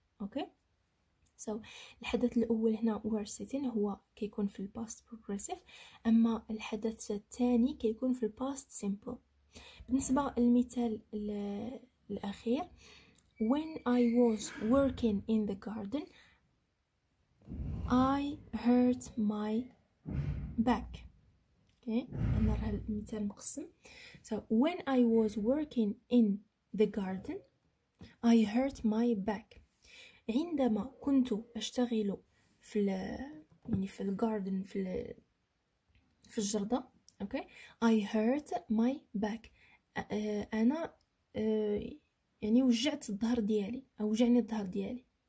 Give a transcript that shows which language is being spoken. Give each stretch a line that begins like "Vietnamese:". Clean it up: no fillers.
Arabic: اوكي سو الحدث الاول هنا وير سيتين هو كيكون في الباست بروغريسيف، اما الحدث الثاني كيكون في الباست سيمبل. بالنسبه للمثال الاخير،
English: when I was working in the garden I hurt my back.
Arabic: اوكي انا راه المثال مقسم.
English: So when I was working in the garden I hurt my back.
Arabic: عندما كنت اشتغل في يعني في الجاردن في الجرده.
English: Okay okay. I hurt my back.
Arabic: انا يعني وجعت الظهر ديالي او وجعني الظهر ديالي.